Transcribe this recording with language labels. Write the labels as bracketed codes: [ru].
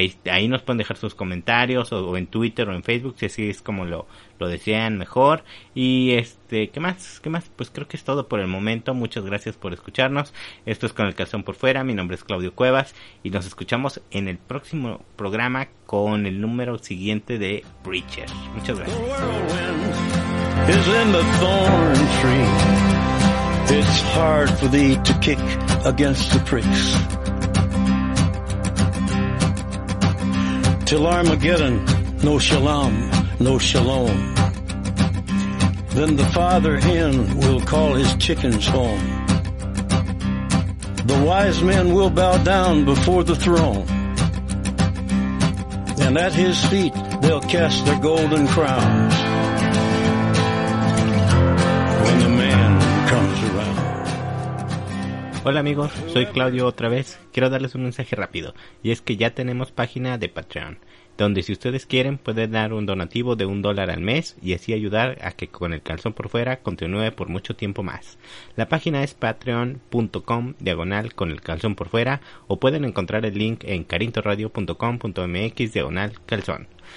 [es] Ahí nos pueden dejar sus comentarios o en Twitter o en Facebook, si así es como lo desean mejor. Y ¿qué más? Pues creo que es todo por el momento. Muchas gracias por escucharnos. Esto es Con el Calzón por Fuera. Mi nombre es Claudio Cuevas y nos escuchamos en el próximo programa con el número siguiente de Preacher. Muchas gracias. [en] The whirlwind is in the thorn tree. It's hard for thee to kick against the pricks. Till Armageddon, no shalom, no shalom. Then the father hen will call his chickens home. The wise men will bow down before the throne. And at his feet they'll cast their golden crowns. When the man comes around. [es] Hola amigos, soy Claudio otra vez. Quiero darles un mensaje rápido. Y es que ya tenemos página de Patreon. donde si ustedes quieren pueden dar un donativo de $1 al mes y así ayudar a que Con el Calzón por Fuera continúe por mucho tiempo más. La página es patreon.com/conelcalzonporfuera o pueden encontrar el link en carintoradio.com.mx/calzón.